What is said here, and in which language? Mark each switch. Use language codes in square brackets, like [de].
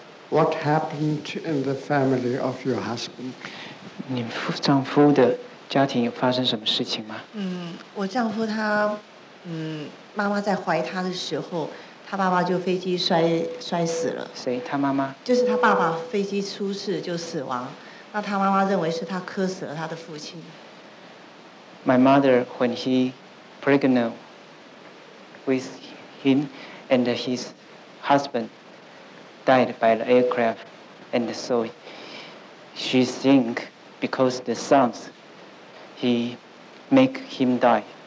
[en] What happened in the family of your husband? [zh] 你丈夫的家庭有发生什么事情吗？我丈夫他，妈妈在怀他的时候，他爸爸就飞机摔死了。谁？他妈妈？就是他爸爸飞机出事就死亡，那他妈妈认为是他磕死了他的父亲。 [en] My mother, when he pregnant with him and his husband. Died by the aircraft, and so she think because the sons, he make him die.